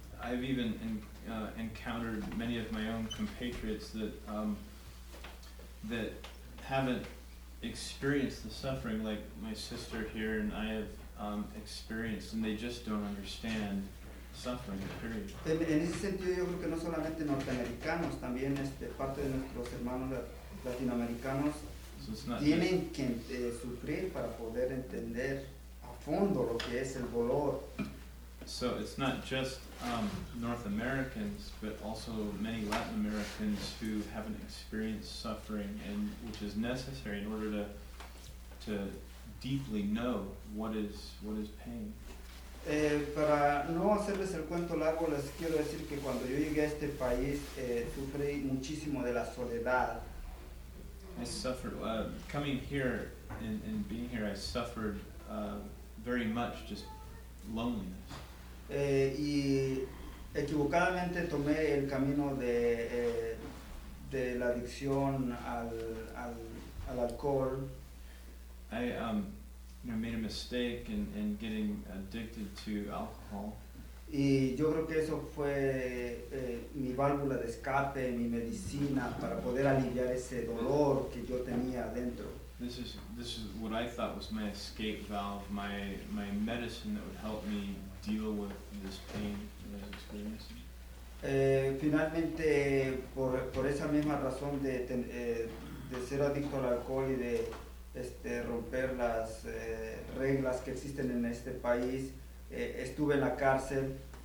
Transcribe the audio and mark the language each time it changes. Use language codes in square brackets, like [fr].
[en] I've even encountered many of my own compatriots that haven't experienced the suffering like my sister here and I have experienced, and they just don't understand suffering, period. [es] En ese sentido, yo creo que no solamente norteamericanos, también parte de nuestros hermanos latinoamericanos tienen que sufrir para poder entender a fondo lo que es el dolor. [en] So it's not just North Americans, but also many Latin Americans who haven't experienced suffering, and which is necessary in order to deeply know what is pain. [es] Para no hacerles el cuento largo, les quiero decir que cuando yo llegué a este país, sufrí muchísimo de la soledad. [en] I suffered coming here and being here. I suffered very much just loneliness. [es] Y equivocadamente tomé el camino de la adicción al alcohol. [en] I made a mistake in getting addicted to alcohol. [es] Y yo creo que eso fue mi válvula de escape, mi medicina para poder aliviar ese dolor que yo tenía adentro. [en] This is what I thought was my escape valve, my medicine that would help me deal with this pain that I was experiencing. [es] Finalmente, por esa misma razón de ser adicto al alcohol y de romper las reglas que existen en este país, estuve en la cárcel.